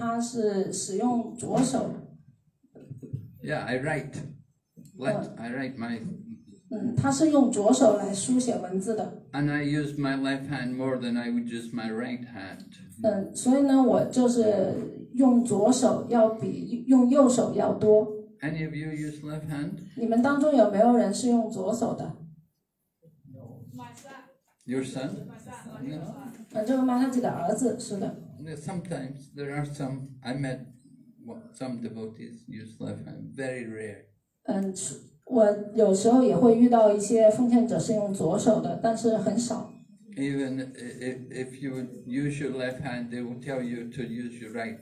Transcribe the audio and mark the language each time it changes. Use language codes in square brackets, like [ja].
[zh] 姑妈就说她是使用左手。 [en] Yeah, I write. Left. I write my. [zh] 他是用左手来书写文字的。 [en] And I use my left hand more than I would use my right hand. [zh] 所以呢，我就是用左手要比用右手要多。 [en] Any of you use left hand? [zh] 你们当中有没有人是用左手的？ [en] No. My son. Your son? My son. [zh] 就是马上自己的儿子，是的。 [en] Sometimes there are some I met some devotees use left hand, very rare. [zh] 我有时候也会遇到一些奉献者是用左手的，但是很少。 [en] Even if you use your left hand, they will tell you to use your right.